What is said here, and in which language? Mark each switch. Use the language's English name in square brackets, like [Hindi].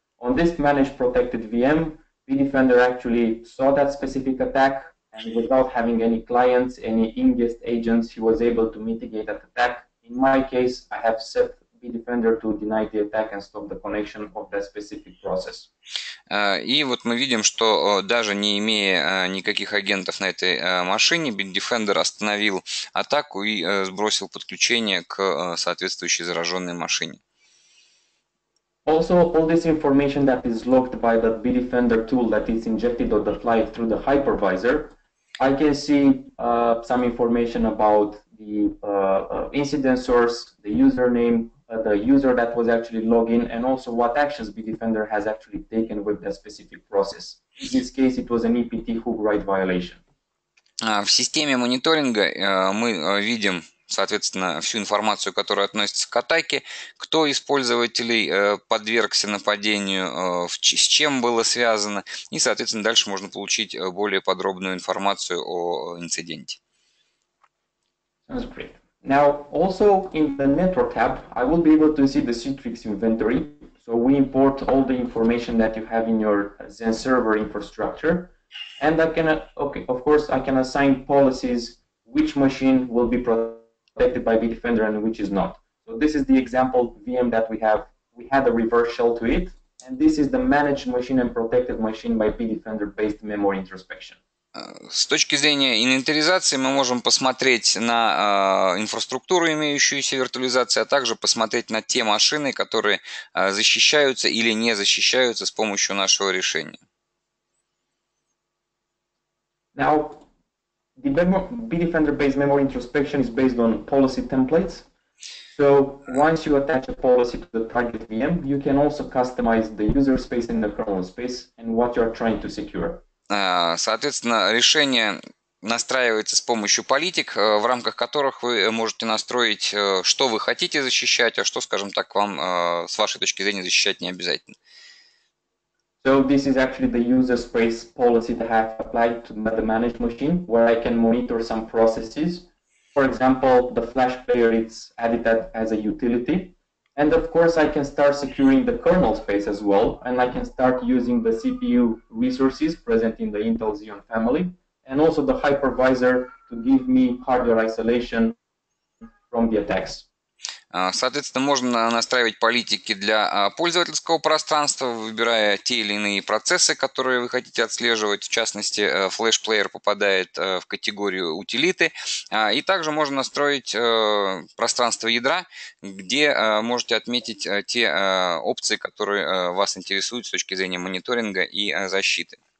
[English] On this managed protected VM, Bitdefender actually saw that specific attack, and without having any clients, any in-guest agents, he was able to mitigate that attack. In my case, I have set Bitdefender to deny the attack and stop the connection of that specific process. [Russian] И вот мы видим, что даже не имея никаких агентов на этой машине, Bitdefender остановил атаку и сбросил подключение к соответствующей зараженной машине. [English] Also, all this information that is logged by the Bitdefender tool that is injected on the fly through the hypervisor, I can see some information about the incident source, the username, the user that was actually logged in, and also what actions Bitdefender has actually taken with that specific process. In this case, it was an EPT hook write violation. [Russian] В системе мониторинга мы видим, соответственно, всю информацию, которая относится к атаке, кто из пользователей подвергся нападению, с чем было связано, и, соответственно, дальше можно получить более подробную информацию о инциденте. [English] Sounds great. Now, also in the network tab, I will be able to see the Citrix inventory. So we import all the information that you have in your Zen server infrastructure. And I can, okay, of course, I can assign policies which machine will be protected by Bitdefender and which is not. So this is the example VM that we have. We had a reverse shell to it. And this is the managed machine and protected machine by Bitdefender based memory introspection. [Russian] С точки зрения инвентаризации мы можем посмотреть на инфраструктуру, имеющуюся виртуализацию, а также посмотреть на те машины, которые защищаются или не защищаются с помощью нашего решения. [English] Now, the Bitdefender based memory introspection is based on policy templates. So once you attach a policy to the target VM, you can also customize the user space and the kernel space and what you are trying to secure. [Russian] Соответственно, решение настраивается с помощью политик, в рамках которых вы можете настроить, что вы хотите защищать, а что, скажем так, вам с вашей точки зрения защищать не обязательно. [English] So this is actually the user space policy that I have applied to the managed machine, where I can monitor some processes. For example, the flash player is added as a utility. And of course, I can start securing the kernel space as well, and I can start using the CPU resources present in the Intel Xeon family, and also the hypervisor to give me hardware isolation from the attacks. [Russian] Соответственно, можно настраивать политики для пользовательского пространства, выбирая те или иные процессы, которые вы хотите отслеживать. В частности, флеш-плеер попадает в категорию утилиты. И также можно настроить пространство ядра, где можете отметить те опции, которые вас интересуют с точки зрения мониторинга и защиты.